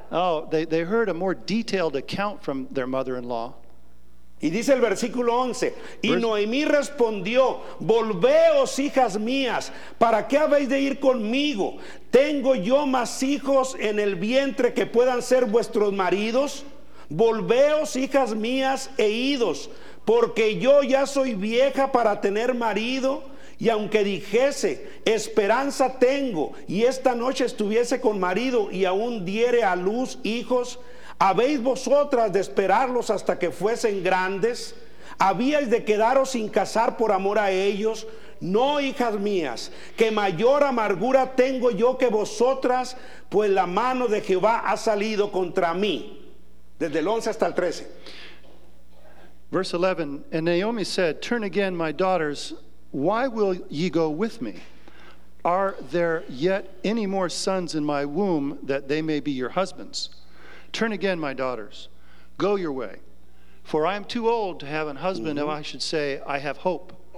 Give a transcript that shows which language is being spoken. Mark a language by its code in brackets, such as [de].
[en] Oh, they heard a more detailed account from their mother-in-law. [es] Y dice el versículo 11, y Noemí respondió, volveos, hijas mías, ¿para qué habéis de ir conmigo? ¿Tengo yo más hijos en el vientre que puedan ser vuestros maridos? Volveos, hijas mías, e idos, porque yo ya soy vieja para tener marido, y aunque dijese, esperanza tengo, y esta noche estuviese con marido, y aún diere a luz hijos, ¿habéis vosotras de esperarlos hasta que fuesen grandes? ¿Habíais de quedaros sin casar por amor a ellos? No, hijas mías, que mayor amargura tengo yo que vosotras, pues la mano de Jehová ha salido contra mí. Desde el 11 hasta el 13. [en] Verse 11, and Naomi said, turn again, my daughters, why will ye go with me? Are there yet any more sons in my womb that they may be your husbands? Turn again, my daughters, go your way. For I am too old to have an husband, mm-hmm. if I should say, I have hope.